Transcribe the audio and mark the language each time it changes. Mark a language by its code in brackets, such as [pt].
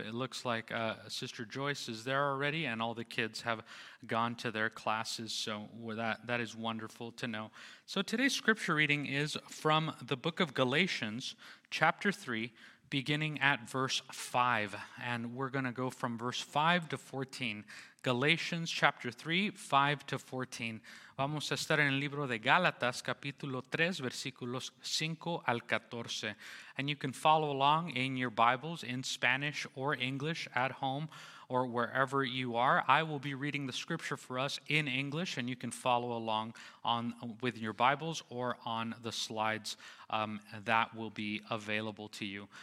[en] It looks like Sister Joyce is there already, and all the kids have gone to their classes. So that is wonderful to know. So today's scripture reading is from the book of Galatians, chapter 3, beginning at verse 5, and we're going to go from verse 5 to 14. Galatians chapter 3, 5 to 14. [es] Vamos a estar en el libro de Gálatas, capítulo 3, versículos 5 al 14. [en] And you can follow along in your Bibles in Spanish or English at home or wherever you are. I will be reading the scripture for us in English, and you can follow along on with your Bibles or on the slides that will be available to you.